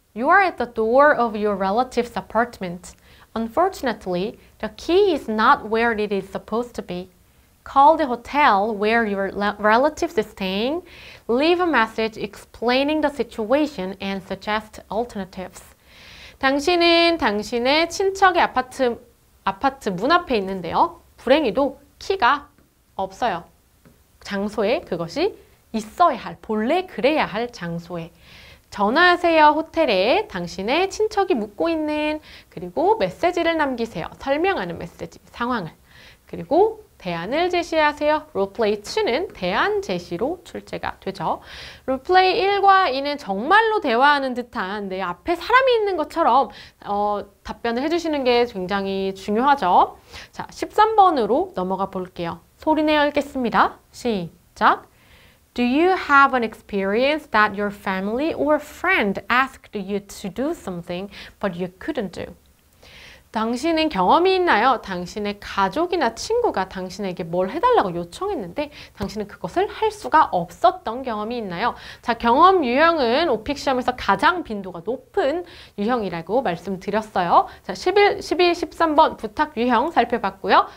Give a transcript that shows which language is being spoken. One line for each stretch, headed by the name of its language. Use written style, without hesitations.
English: You are at the door of your relative's apartment. Unfortunately, the key is not where it is supposed to be. Call the hotel where your relative is staying, leave a message explaining the situation and suggest alternatives.
Korean: 당신은 당신의 친척의 아파트 문 앞에 있는데요. 불행히도 키가 없어요. 장소에 그것이 있어야 할, 본래 그래야 할 장소에. 전화하세요. 호텔에 당신의 친척이 묵고 있는 그리고 메시지를 남기세요. 설명하는 메시지, 상황을. 그리고 대안을 제시하세요. 롤플레이 2는 대안 제시로 출제가 되죠. 롤플레이 1과 2는 정말로 대화하는 듯한 내 앞에 사람이 있는 것처럼 답변을 해주시는 게 굉장히 중요하죠. 자, 13번으로 넘어가 볼게요. 소리내어 읽겠습니다. 시작!
English: Do you have an experience that your family or friend asked you to do something but you couldn't do?
Korean: 당신은 경험이 있나요? 당신의 가족이나 친구가 당신에게 뭘 해달라고 요청했는데 당신은 그것을 할 수가 없었던 경험이 있나요? 자, 경험 유형은 오픽 시험에서 가장 빈도가 높은 유형이라고 말씀드렸어요. 자, 11, 12, 13번 부탁 유형 살펴봤고요.